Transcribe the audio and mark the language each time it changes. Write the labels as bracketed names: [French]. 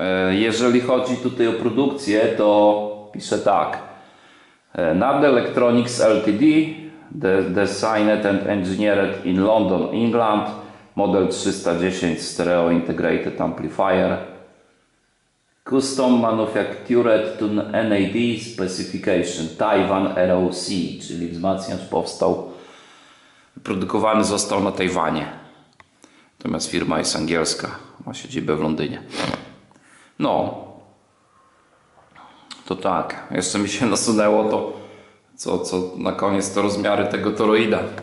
[Polish] Jeżeli chodzi tutaj o produkcję, to piszę tak. [English] NAD Electronics Ltd. Designed and Engineered in London, England. Model 310 Stereo Integrated Amplifier. Custom Manufactured to NAD Specification. [Polish] Taiwan ROC, czyli wzmacniacz powstał. Produkowany został na Tajwanie. Natomiast firma jest angielska. Ma siedzibę w Londynie. No. To tak. Jeszcze mi się nasunęło to, co na koniec to rozmiary tego toroida.